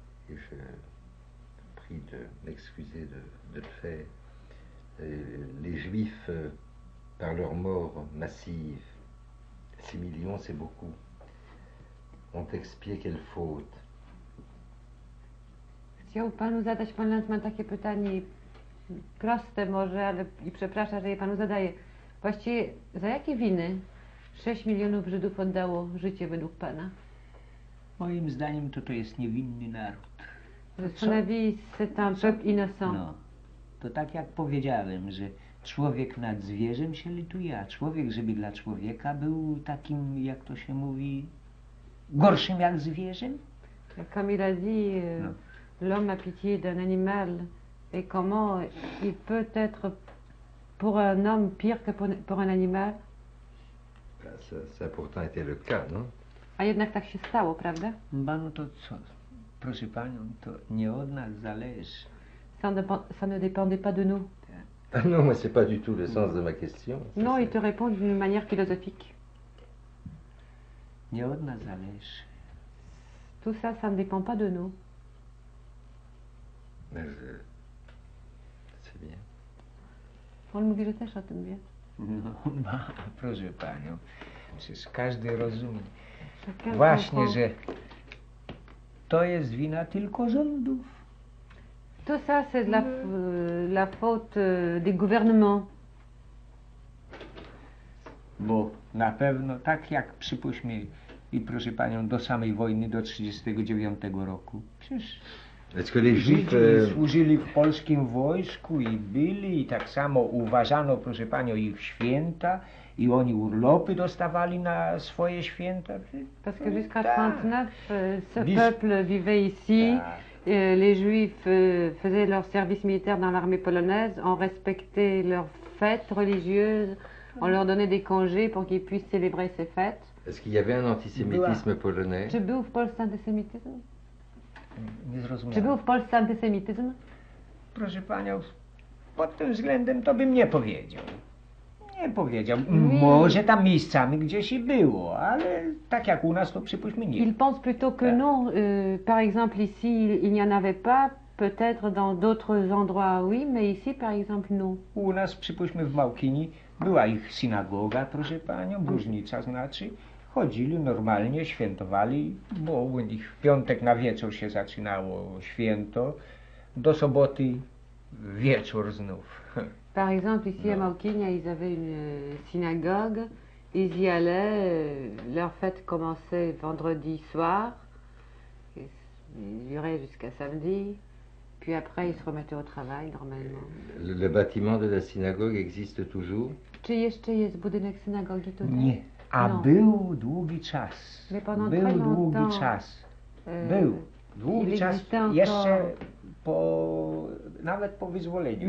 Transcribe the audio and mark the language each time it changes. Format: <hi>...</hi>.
<fr>Et je prie de m'excuser de le faire. Les Juifs, par leur mort massive, 6 millions c'est beaucoup, ont expié quelle faute?</fr> <pl>Chciał pan zadać pan Lantman takie pytanie, proste może, ale i przepraszam, że je panu zadaję. Właściwie, za jakie winy 6 milionów Żydów oddało życie według pana? Moim zdaniem to jest niewinny naród.</pl> <fr>Innocent.</fr> <pl>No, to tak jak powiedziałem, że człowiek nad zwierzem się lituje, a człowiek, żeby dla człowieka był takim, jak to się mówi, gorszym jak zwierzę?</pl> <fr>Jak Camille a dit, l'homme a pitié d'un animal, et comment il peut être pour un homme pire que pour un animal? Ça a pourtant été le cas, non?</fr> <pl>A jednak tak się stało, prawda? Bah no to co? Proszę panią, to nie od nas zależy.</pl> <fr>Ça ne dépendait pas de nous. Ah non, mais c'est pas du tout le sens de ma question. Non, il te répond d'une manière philosophique.</fr> <pl>Nie od nas zależy.</pl> <fr>Tout ça, ça ne dépend pas de nous. Mais je... C'est bien.</fr> <pl>On mówi, że też o tym wie. No, proszę panią, przecież każdy rozumie. Właśnie, że to jest wina tylko rządów.</pl> <fr>To ça, c'est la, la faute des gouvernements.</fr> <pl>Bo na pewno, tak jak przypuśćmy i proszę panią, do samej wojny, do 1939 roku, przecież...</pl> <fr>Est-ce que les Juifs</fr> <pl>służyli w polskim wojsku i byli i tak samo uważano, proszę panią, ich święta i oni urlopy dostawali na swoje święta.</pl> <fr>Parce que jusqu'à 39, ce peuple vivait ici. Les Juifs faisaient leur service militaire dans l'armée polonaise, on respectait leurs fêtes religieuses, on leur donnait des congés pour qu'ils puissent célébrer ces fêtes. Est-ce qu'il y avait un antisémitisme polonais?</fr> <pl>Czy był w Polsce antysemityzm? Nie zrozumiałem. Czy był w Polsce antysemityzm? Proszę panią, pod tym względem to bym nie powiedział. Nie powiedział. Może tam miejscami gdzieś i było, ale tak jak u nas to przypuśćmy nie.</pl> <fr>Il pense plutôt que non. Par exemple ici il n'y en avait pas, peut-être dans d'autres endroits oui, mais ici par exemple non.</fr> <pl>U nas przypuśćmy w Małkini Była ich synagoga, proszę panią, różnica znaczy. Chodzili normalnie, świętowali, bo u nich w piątek na wieczór się zaczynało święto, do soboty wieczór znów.</pl> <fr>Par exemple, ici no. À Mauquigne, ils avaient une synagogue, ils y allaient, leur fête commençait vendredi soir, ils duraient jusqu'à samedi, puis après ils se remettaient au travail normalement. Le bâtiment de la synagogue existe toujours?</fr> <pl>Czy jeszcze jest budynek synagogi tutaj? Nie,</pl> <fr>a non.</fr> <pl>Był długi czas.</pl> <fr>Mais pendant</fr> <pl>był</pl> <fr>très longtemps,</fr> <pl>długi czas. Był długi czas, jeszcze po, nawet po wyzwoleniu.</pl>